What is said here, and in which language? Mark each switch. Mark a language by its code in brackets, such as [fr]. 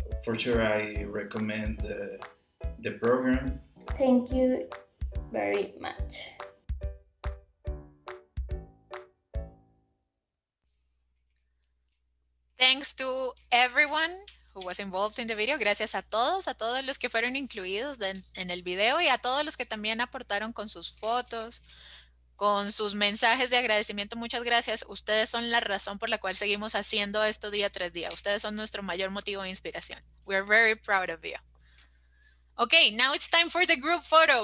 [en] For sure, I recommend the program. Thank you very much. Thanks to everyone who was involved in the video. [es] Gracias a todos los que fueron incluidos en el video y a todos los que también aportaron con sus fotos, con sus mensajes de agradecimiento. Muchas gracias. Ustedes son la razón por la cual seguimos haciendo esto día tras día. Ustedes son nuestro mayor motivo de inspiración. [en] We are very proud of you. Okay, now it's time for the group photo.